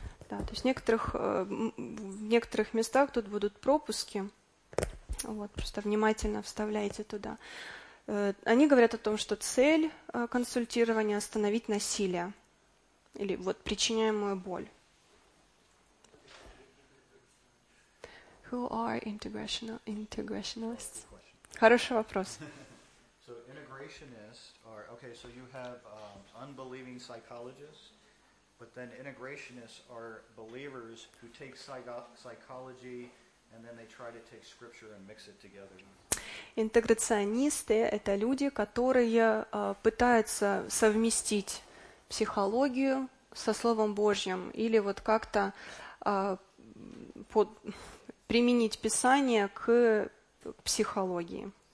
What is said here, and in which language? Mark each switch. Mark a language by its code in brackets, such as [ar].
[ru] Да, то есть в некоторых местах тут будут пропуски. Вот, просто внимательно вставляйте туда. Они говорят о том, что цель консультирования – остановить насилие или вот причиняемую боль. [en] Who are integrationists? [ru] Хороший вопрос. [en] So integrationists are, okay, so you have unbelieving psychologists. But then integrationists are believers who take psychology and then they try to take scripture and mix it together. [ru] Интеграционисты – это люди, которые пытаются совместить психологию со Словом Божьим или вот как-то применить Писание к психологии.